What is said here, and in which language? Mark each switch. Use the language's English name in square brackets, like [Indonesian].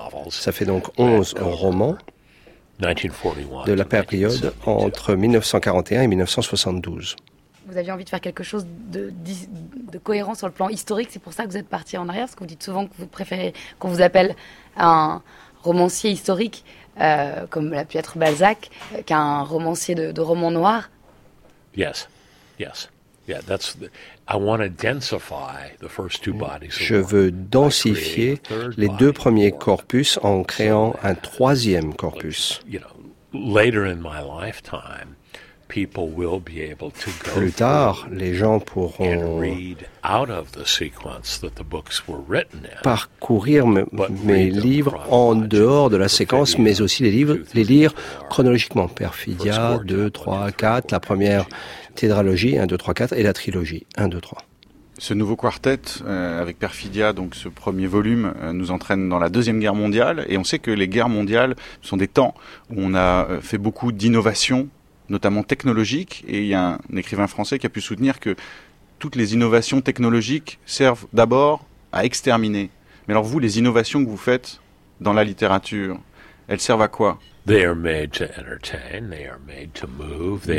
[French] Ça fait donc 11 romans de la période entre 1941 et 1972. Vous aviez envie de faire quelque chose de cohérent sur le plan historique, c'est pour ça que vous êtes parti en arrière, parce que vous dites souvent que vous préférez qu'on vous appelle un romancier historique, comme l'a pu être Balzac, qu'un romancier de roman noir. [English] Yes, yes. Yeah, that's the, I want to densify the first two bodies. [French] Je veux densifier les deux premiers corpus en créant un troisième corpus. [English] You know, later in my lifetime, people will be able to go [French] plus tard, les gens pourront [English] read out of the sequence that the books were written in, [French] parcourir mes livres en dehors de la séquence, mais aussi les lire chronologiquement. Perfidia 2, 3, 4, la première tétralogie 1, 2, 3, 4 et la trilogie 1, 2, 3. Ce nouveau quartet, avec Perfidia, donc ce premier volume, nous entraîne dans la Deuxième Guerre mondiale. Et on sait que les guerres mondiales sont des temps où on a fait beaucoup d'innovations, notamment technologiques. Et il y a un écrivain français qui a pu soutenir que toutes les innovations technologiques servent d'abord à exterminer. Mais alors vous, les innovations que vous faites dans la littérature, elles servent à quoi ? [English] They are made to entertain, they are made to move, they